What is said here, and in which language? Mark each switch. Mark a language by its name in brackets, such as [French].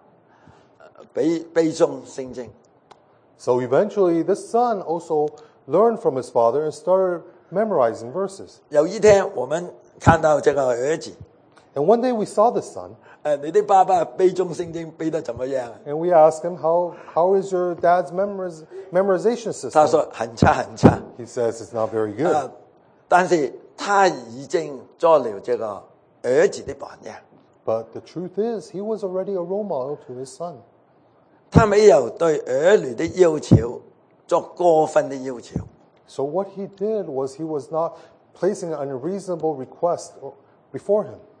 [Chinese] 后来这个儿子慢慢慢慢也学到他背诵圣经。 [English] So eventually, this son also learned from his father and started memorizing verses. [Chinese] 有一天我们看到这个儿子, [English] and one day we saw this son. [Chinese] 你的爸爸背诵圣经背得怎么样? [English] And we asked him, how is your dad's memorization system? [Chinese] 他说很差很差。 [English] He says it's not very good. [Chinese] 但是他已经做了这个儿子的榜样。 [English] But the truth is, he was already a role model to his son. [Chinese] 他没有对儿女的要求做过分的要求。 [English] So what he did was he was not placing an unreasonable request before him.